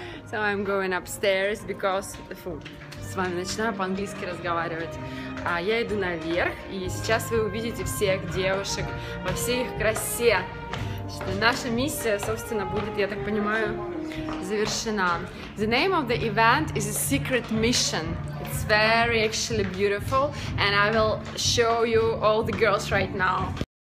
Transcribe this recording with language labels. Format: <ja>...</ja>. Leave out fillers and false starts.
<en>So I'm going upstairs because...</en> <ru>Фу, с вами начинаю по-английски разговаривать. А я иду наверх, и сейчас вы увидите всех девушек во всей их красе. Что наша миссия, собственно, будет, я так понимаю, завершена.</ru> <en>The name of the event is a secret mission. It's very actually beautiful, and I will show you all the girls right now.</en>